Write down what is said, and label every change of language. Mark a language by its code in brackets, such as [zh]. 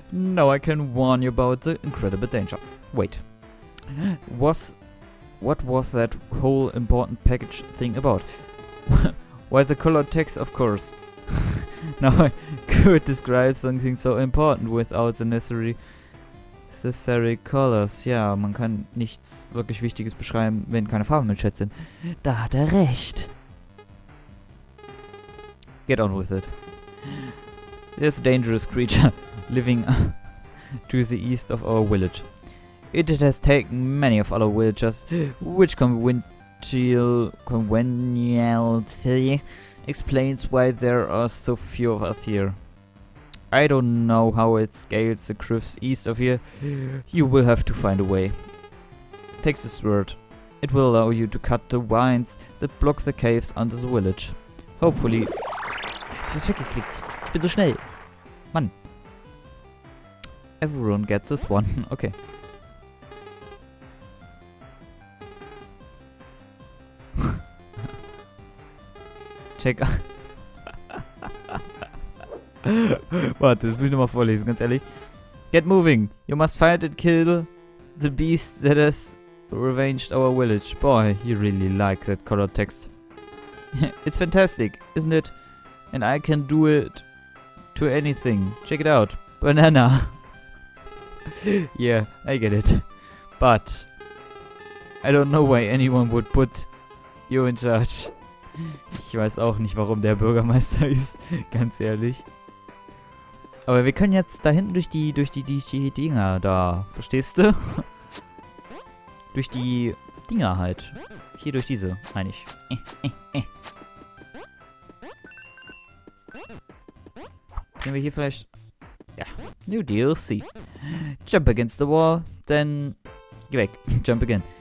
[en] Now I can warn you about the incredible danger. Wait. What was that whole important package thing about? Why the colored text, of course. Now I could describe something so important without the necessary colors. [de] Ja, man kann nichts wirklich Wichtiges beschreiben, wenn keine Farben im Chat sind. Da hat er recht. [en] Get on with it. There's a dangerous creature living to the east of our village. It has taken many of our villagers, which conveniently explains why there are so few of us here. I don't know how it scales the cliffs east of here. You will have to find a way. Take this sword. It will allow you to cut the vines that block the caves under the village. Hopefully. [de] Jetzt hab ich's weggeklickt. Ich bin so schnell. Mann. [en] Everyone gets this one. Okay. Check. [de] Warte, das muss ich nochmal vorlesen, ganz ehrlich. [en] Get moving. You must fight and kill the beast that has revenged our village. Boy, you really like that colored text. It's fantastic, isn't it? And I can do it to anything. Check it out. Banana. Yeah, I get it. But I don't know why anyone would put you in charge. [de] Ich weiß auch nicht, warum der Bürgermeister ist, ganz ehrlich. Aber wir können jetzt da hinten durch die Dinger da, verstehst du? Durch die Dinger halt. Hier durch diese, meine ich. Nehmen wir hier vielleicht... Ja, [en] New DLC. Jump against the wall, then [de] Geh weg. [en] Jump again.